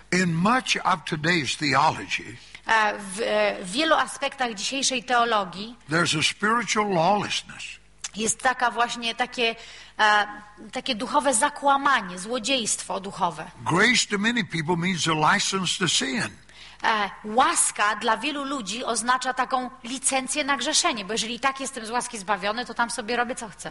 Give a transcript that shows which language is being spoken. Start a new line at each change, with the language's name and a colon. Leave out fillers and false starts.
English: In much of today's theology,
Polish: w wielu aspektach dzisiejszej teologii
English: there's a spiritual lawlessness.
Polish: Jest taka właśnie takie, takie duchowe zakłamanie, złodziejstwo duchowe.
English: Grace to many people means a license to sin.
Polish: Łaska dla wielu ludzi oznacza taką licencję na grzeszenie, bo jeżeli tak jestem z łaski zbawiony, to tam sobie robię co chcę.